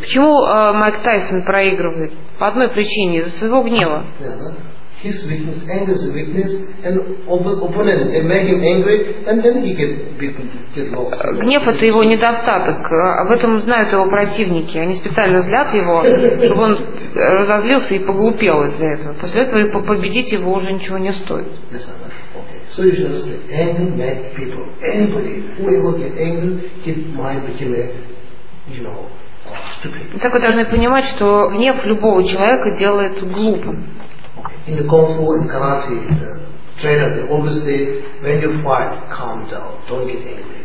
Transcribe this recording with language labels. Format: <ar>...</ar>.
<ru>Почему Майк Тайсон проигрывает? По одной причине, из-за своего гнева.</ru> <en>His weakness, anger is a weakness, and opponent, they make him angry, and then he get lost.</en> <ru>Гнев – это его недостаток. Об этом знают его противники. Они специально злят его, чтобы он разозлился и поглупел из-за этого. После этого победить его уже ничего не стоит.</ru> <en>So you should understand, anger make people, anybody, whoever get angry, he might become a, you know, stupid.</en> <ru>Так вы должны понимать, что гнев любого человека делает глупым.</ru> <en>In the kung fu and karate, the trainer they always say, when you fight, calm down, don't get angry.</en>